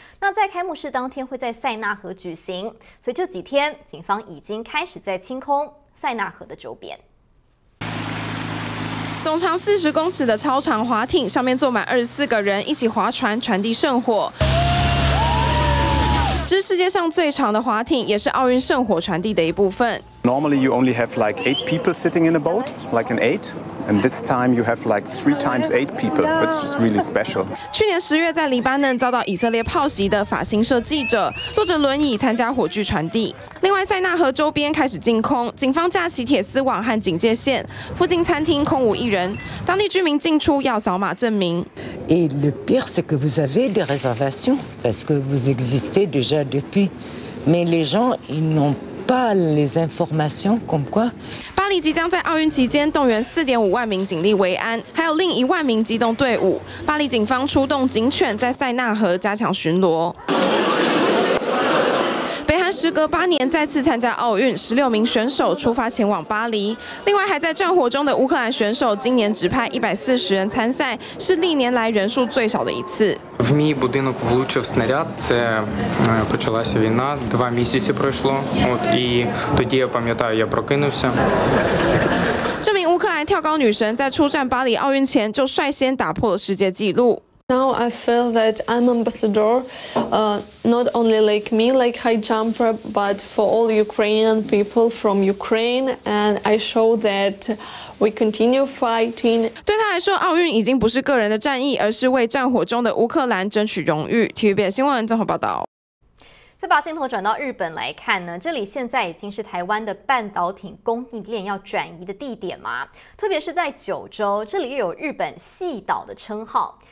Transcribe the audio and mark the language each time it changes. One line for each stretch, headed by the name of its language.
Chinese: 那在开幕式当天会在塞纳河举行，所以这几天警方已经开始在清空塞纳河的周边。总长40公尺的超长滑艇，上面坐满24个人，一起划船传递圣火。这是世界上最长的滑艇，也是奥运圣火传递的一部分。
English: Normally you only have like 8 people sitting in a boat, like an eight, and this time you have like 3 times 8 people, which is really special.
Chinese: 去年10月在黎巴嫩遭到以色列炮袭的法新社记者，坐着轮椅参加火炬传递。另外，塞纳河周边开始禁空，警方架起铁丝网和警戒线，附近餐厅空无一人，当地居民进出要扫码证明。
French: Et le pire c'est que vous avez des réservations parce que vous existez déjà depuis, mais les gens ils n'ont pas les informations comme quoi。
Chinese: 巴黎即将在奥运期间动员4.5万名警力维安，还有另10000名机动队伍。巴黎警方出动警犬在塞纳河加强巡逻。时隔8年再次参加奥运，16名选手出发前往巴黎。另外还在战火中的乌克兰选手，今年只派140人参赛，是历年来人数最少的一次。
Ukrainian: В мій будинок влучив снаряд. Це почалася війна. 2 місяці пройшло. От і тоді я пам'ятаю, я прокинувся.
Chinese: 这名乌克兰跳高女神在出战巴黎奥运前就率先打破了世界纪录。
English: Now I feel that I'm ambassador, not only like me, like high jumper, but for all Ukrainian people from Ukraine, and I show that we continue fighting.
Chinese: 对他来说，奥运已经不是个人的战役，而是为战火中的乌克兰争取荣誉。 TVBS 新闻综合报道。再把镜头转到日本来看呢，这里现在已经是台湾的半导体供应链要转移的地点嘛，特别是在九州，这里又有日本细岛的称号。